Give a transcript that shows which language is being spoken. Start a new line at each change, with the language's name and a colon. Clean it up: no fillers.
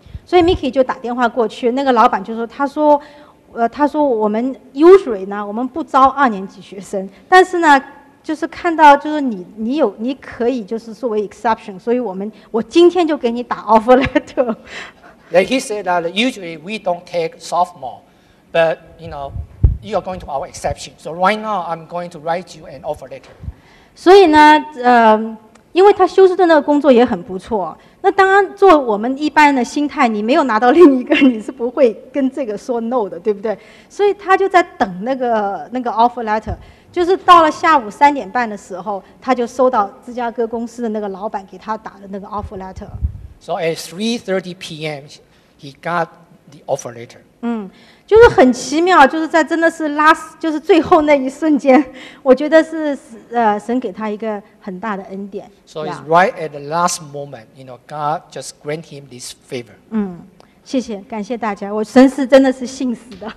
Chinese: 所以 Mickey 就打电话过去，那个老板就说：“他说。” 他说我们 usually 呢，我们不招二年级学生，但是呢，就是看到就是你有你可以就是作为 exception， 所以我今天就给你打 offer letter。
English: Yeah, he said that usually we don't take sophomore, but you know you are going to our exception. So right now I'm going to write you an offer letter.
Chinese: 所以呢，因为他休斯顿的工作也很不错。那当然，做我们一般的心态，你没有拿到另一个，你是不会跟这个说 no 的，对不对？所以他就在等那个 offer letter， 就是到了下午三点半的时候，他就收到芝加哥公司的那个老板给他打的那个 offer letter。
English: So at 3:30 p.m. he got the offer letter.
Chinese: 就是很奇妙，就是在真的是 last， 就是最后那一瞬间，我觉得是神给他一个很大的恩典。
English: So it's right at the last moment, you know, God just grant him this favor.
Chinese: 谢谢，感谢大家，我神是真的是信实的。